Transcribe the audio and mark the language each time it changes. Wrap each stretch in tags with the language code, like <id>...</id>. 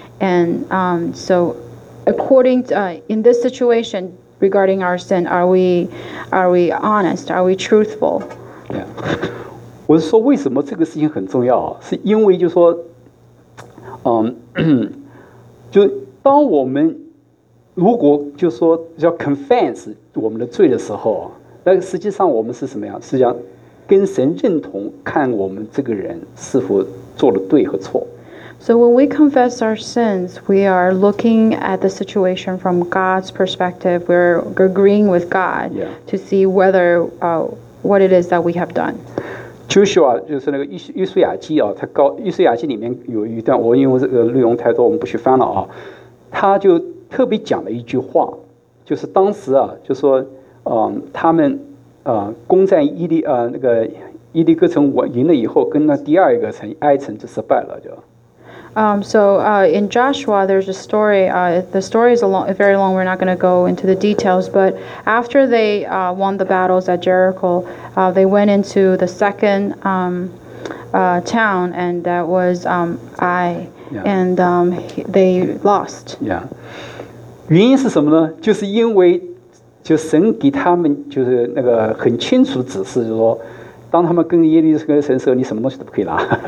<en>And so, according to, in this situation regarding our sin, are we honest? Are we truthful? Yeah.</en> <zh>我是说为什么这个事情很重要啊？是因为就是说，就当我们如果就是说要</zh> <en>confess</en> <zh>我们的罪的时候。那实际上我们是什么样？实际上跟神认同，看我们这个人是否做了对和错。</zh> <en>So when we confess our sins, we are looking at the situation from God's perspective. We're agreeing with God to see whether what it is that we have done.</en> <zh>Joshua 就是那个约书亚记啊，他告约书亚记里面有一段，我因为这个内容太多，我们不去翻了啊。他就特别讲了一句话，就是当时啊，就说。他们攻占伊利那个伊利哥城赢了以后，跟那第二一个城埃城就失败了，就。</zh> <en>In Joshua, there's a story. The story is very long. We're not going to go into the details. But after they won the battles at Jericho, they went into the second town, and that was Ai, and they lost.</en> <zh>Yeah. 原因是什么呢？就是因为。就神给他们就是那个很清楚指示，就是说，当他们跟耶利哥城的时候，你什么东西都不可以拿。</zh>